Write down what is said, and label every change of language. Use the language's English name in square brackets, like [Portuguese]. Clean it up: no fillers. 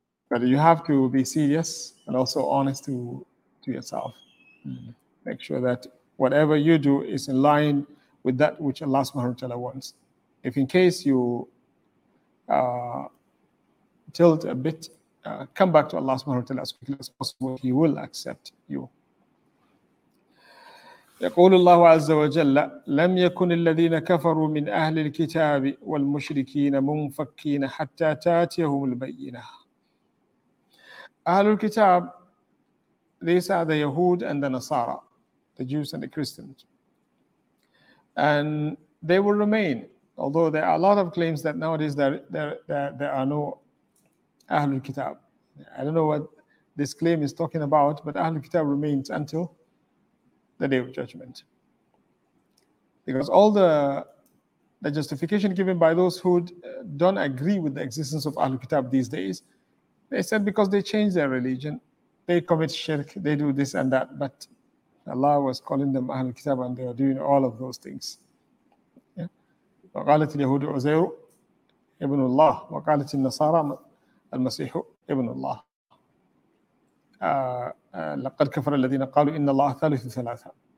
[English] But you have to be serious and also honest to yourself. Mm-hmm. Make sure that whatever you do is in line with that which Allah subhanahu wa ta'ala wants. If in case you tilt a bit, come back to Allah subhanahu wa ta'ala as quickly as possible. He will accept you. [Arabic] يقول الله عز وجل لم يكن الذين كفروا من أهل الكتاب والمشركين منفكين حتى تاتيهم البينة. [English] أهل الكتاب, these are the Yahud and the Nasara, the Jews and the Christians. And they will remain, although there are a lot of claims that nowadays there are no أهل الكتاب. I don't know what this claim is talking about, but أهل الكتاب remains until the Day of Judgment. Because all the justification given by those who don't agree with the existence of Ahlul Kitab these days, they said because they changed their religion, they commit shirk, they do this and that, but Allah was calling them Ahlul Kitab and they are doing all of those things. [Arabic] وَقَالَتِ الْيَهُودُ عُزَيْرُ إِبْنُ اللَّهِ وَقَالَتِ النَّصَارَى الْمَسِيحُ إِبْنُ اللَّهِ لقد كفر الذين قالوا إن الله ثالث ثلاثة.